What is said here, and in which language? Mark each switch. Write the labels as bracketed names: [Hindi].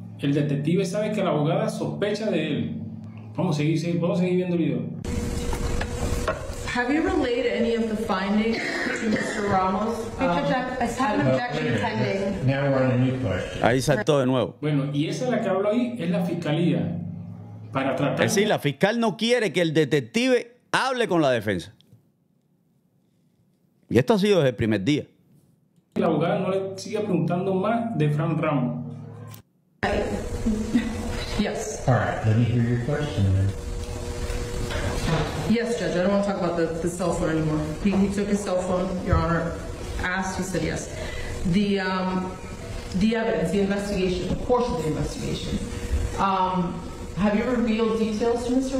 [Spanish] El detective sabe que la abogada sospecha de él. Vamos a seguir viendo el video. [English] Have you relayed any of the findings to Mr. Ramos? I have an objection pending. Now we're on a new question. [Spanish] Ahí saltó de nuevo. Bueno, y esa es la que hablo ahí, es la fiscalía. Para tratar. Es decir, la fiscal no quiere que el detective hable con la defensa. Y esto ha sido desde el primer día. La abogada no le sigue preguntando más de Fran Ramos. [English] Yes. All right, let me hear your question then. Yes, Judge, I don't want to talk about the cell phone anymore. He took his cell phone, Your Honor asked, he said yes. The evidence, the investigation, the portion of the investigation, have you revealed details to Mr.